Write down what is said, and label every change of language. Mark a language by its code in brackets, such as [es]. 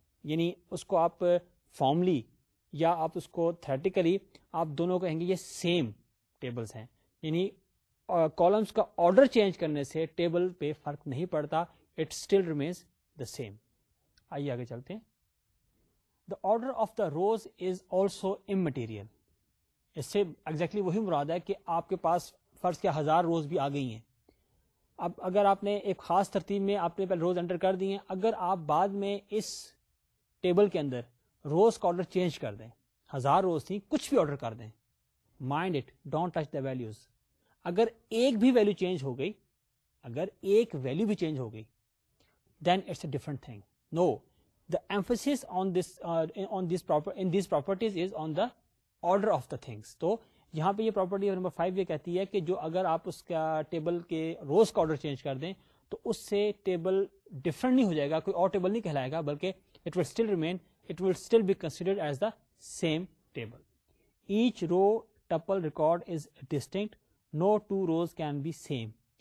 [ur] یعنی اس کو آپ فارملی یا آپ اس کو تھریٹیکلی آپ دونوں کہیں گے یہ سیم ٹیبلز ہیں, یعنی کالمس کا آرڈر چینج کرنے سے ٹیبل پہ فرق نہیں پڑتا, [en] It still remains the same. [ur] آئیے آگے چلتے ہیں. [en] The order of the rows is also immaterial. [ur] اس سے ایگزیکٹلی وہی مراد ہے کہ آپ کے پاس فرض کیا ہزار روز بھی آ گئی ہیں, اب اگر آپ نے ایک خاص ترتیب میں آپ نے پہلے روز انٹر کر دیے, اگر آپ بعد میں اس ٹیبل کے اندر روز کا آرڈر چینج کر دیں, ہزار روز تھیں کچھ بھی آرڈر کر دیں, [en] Mind it, don't touch the values. [ur] اگر ایک بھی ویلو چینج ہو گئی, اگر ایک ویلو بھی چینج ہو گئی, [en] Then it's a different thing. No, the emphasis on this in these properties is on the order of the things. [ur] تو یہاں پہ یہ پراپرٹی نمبر 5 یہ کہتی ہے کہ جو اگر آپ اس کا ٹیبل کے روز کا آرڈر چینج کر دیں تو اس سے ٹیبل ڈفرنٹ نہیں ہو جائے گا, کوئی اور ٹیبل نہیں کہلائے گا, بلکہ [en] It will still remain, it will still be considered as the same table. Each row tuple record is distinct, no two rows can be same.